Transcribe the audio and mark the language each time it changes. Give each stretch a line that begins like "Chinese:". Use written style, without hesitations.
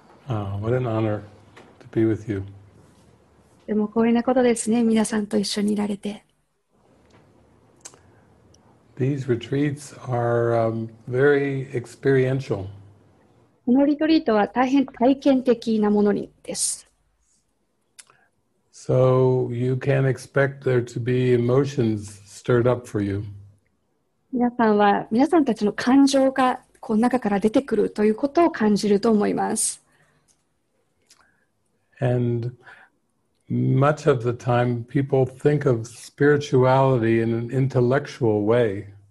English: Oh, what an honor to be with you.
Japanese: でも光栄なことですね、皆さんと一緒にいられて。
English: These retreats are, very experiential.
Japanese: このリトリートは大変体験的なものにです。
English: So you can expect there to be emotions stirred up for you.
Japanese: 皆さんたちの感情がこう中から出てくるということを感じると思います。
English: And much of the time, people think of spirituality in an intellectual way.